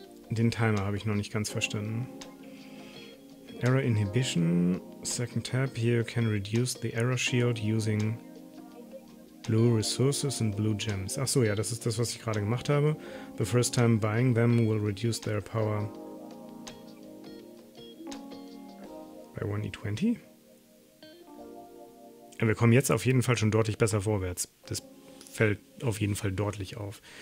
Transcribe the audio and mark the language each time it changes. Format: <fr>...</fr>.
<de>Den Timer habe ich noch nicht ganz verstanden.</de> <en>Error Inhibition, second tab, here you can reduce the error shield using blue resources and blue gems.</en> <de>Ach so, ja, das ist das, was ich gerade gemacht habe.</de> <en>The first time buying them will reduce their power by 1e20.</en> <de>Wir kommen jetzt auf jeden Fall schon deutlich besser vorwärts. Das fällt auf jeden Fall deutlich auf.</de>